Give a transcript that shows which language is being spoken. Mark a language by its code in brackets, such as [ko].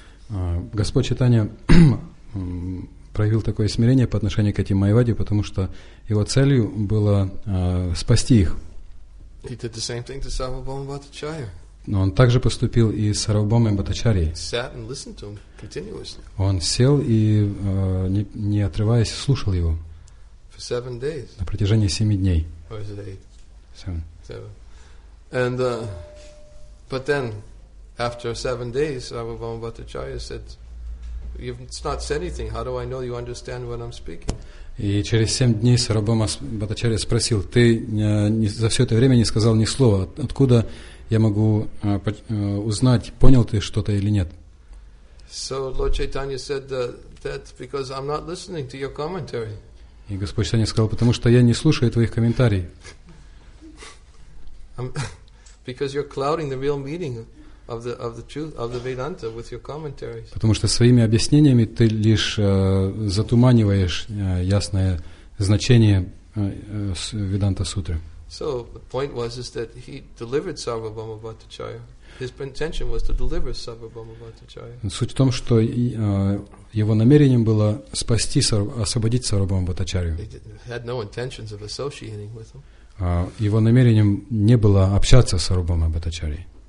[ru] Господь Чайтанья проявил такое смирение по отношению к этим майявади, потому что его целью было спасти их. [en] He did the same thing to Sarvabhauma Bhattacharya. [ru] Но он также поступил и с Сарвабхаумой Бхаттачарьей. [en] Sat and listened to him continuously. [ru] Он сел и не отрываясь слушал его. [en] For 7 days. [ru] На протяжении 7 дней. [en] Or is it 8? Seven. And but then after 7 days, Sarvabhauma Bhattacharya said, "You've not said anything. How do I know you understand what I'm speaking?" [ru] И через 7 дней Сарвабхаума Бхаттачарья спросил: "Ты за все это время не сказал ни слова. Откуда я могу узнать, понял ты что-то или нет?" [en] So Lord Chaitanya said that because I'm not listening to your commentary. [ru] И Господь Чайтанья сказал: "Потому что я не слушаю твоих комментариев." [en] Because you're clouding the real meaning of the truth of the Vedanta with your commentaries. [ru] Потому что своими объяснениями ты лишь затуманиваешь ясное значение Веданта Сутры. [en] So the point was is that he delivered Sarvabhauma Bhattacharya. His intention was to deliver Sarvabhauma Bhattacharya. [ru] Суть в том, что его намерением было спасти, освободить Сарвабхаума Бхаттачарью. [en] He had no intentions of associating with him. [ru] Его намерением не было общаться с Сарвабхаумой Бхаттачарьей.